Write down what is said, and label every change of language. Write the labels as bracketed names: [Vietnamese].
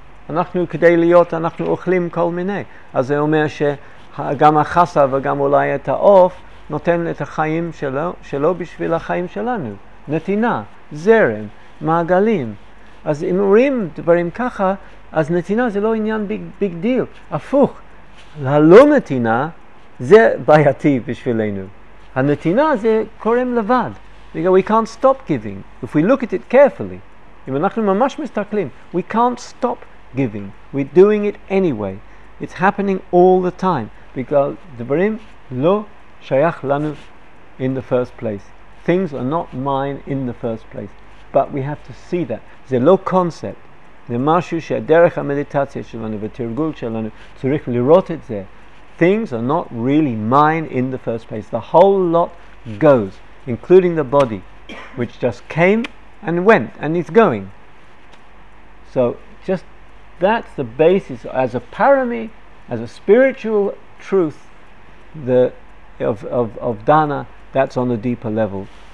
[Hebrew] אנחנו כדי להיות, אנחנו אוכלים כל מיני, אז זה אומר שגם החסה וגם אולי את העוף נותן את החיים שלו בשביל החיים שלנו, נתינה, זרם, מעגלים. אז אם אומרים דברים ככה, אז נתינה זה לא עניין ביג דיל. הפוך, הלא נתינה זה בעייתי בשבילנו. הנתינה זה קורם לבד. [English] Because we can't stop giving. If we look at it carefully, [Hebrew] אם אנחנו ממש מסתכלים, [English] we can't stop giving. We're doing it anyway. It's happening all the time. Because [Hebrew] דברים לא שייך לנו [English] in the first place. Things are not mine in the first place. But we have to see that. [Hebrew] זה לא קונספט, זה משהו שדרך המדיטציה שלנו ותרגול שלנו צריך לראות את זה. [English] Things are not really mine in the first place. The whole lot goes, including the body, which just came and went and is going. So just that's the basis as a parami, as a spiritual truth, the of dana, that's on a deeper level.